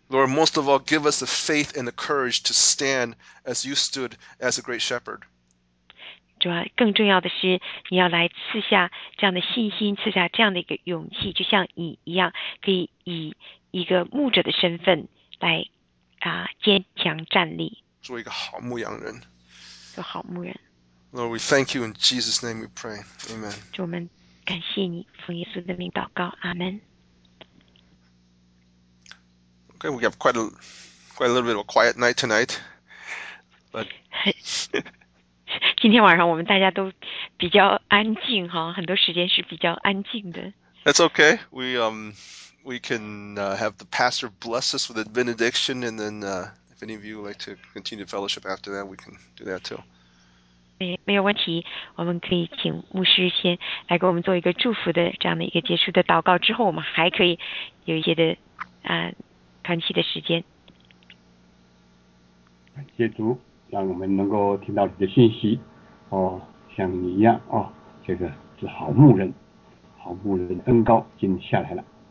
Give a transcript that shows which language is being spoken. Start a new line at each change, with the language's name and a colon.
English: Lord, most of all, give us the faith and the courage to stand as you stood as a great shepherd.
Chinese: 主啊，更重要的是，你要来赐下这样的信心，赐下这样的一个勇气，就像你一样，可以以一个牧者的身份来坚强站立。做一个好牧羊人。做好牧人。
English: Lord, we thank you in Jesus' name we pray. Amen.
Chinese: 主，我们感谢你，奉耶稣的名祷告，阿门。
English: Okay, we have quite a little bit of a quiet night tonight. But
Chinese: 今天晚上我们大家都比较安静哈，很多时间是比较安静的。
English: That's okay. We can have the pastor bless us with a benediction, and then if any of you would like to continue fellowship after that, we can do that too.
Chinese: 没有问题，我们可以请牧师先来给我们做一个祝福的这样的一个结束的祷告，之后我们还可以有一些的喘息的时间。感谢主，让我们能够听到你的信息。哦，像你一样哦，这个是好牧人，好牧人的恩膏已经下来了。